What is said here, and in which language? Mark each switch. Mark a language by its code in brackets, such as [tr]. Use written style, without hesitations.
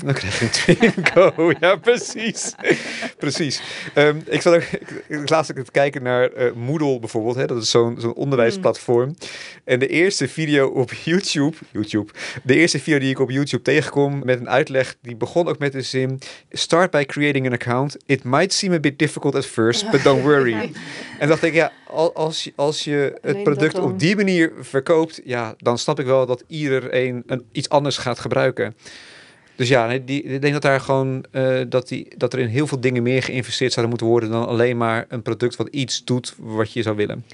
[nl] Dan krijg je een Twingo, ja, precies. Precies. Ik zat ook laatst te kijken naar Moodle bijvoorbeeld. Hè? Dat is zo'n onderwijsplatform. Mm. En de eerste video op YouTube. De eerste video die ik op YouTube tegenkom met een uitleg, die begon ook met de zin: [en] start by creating an account. It might seem a bit difficult at first, but don't worry. [nl] En dacht ik, ja, als je het product op die manier verkoopt, ja, dan snap ik wel dat iedereen iets anders gaat gebruiken. Dus ja, ik denk dat daar gewoon dat er in heel veel dingen meer geïnvesteerd zouden moeten worden dan alleen maar een product wat iets doet wat je zou willen.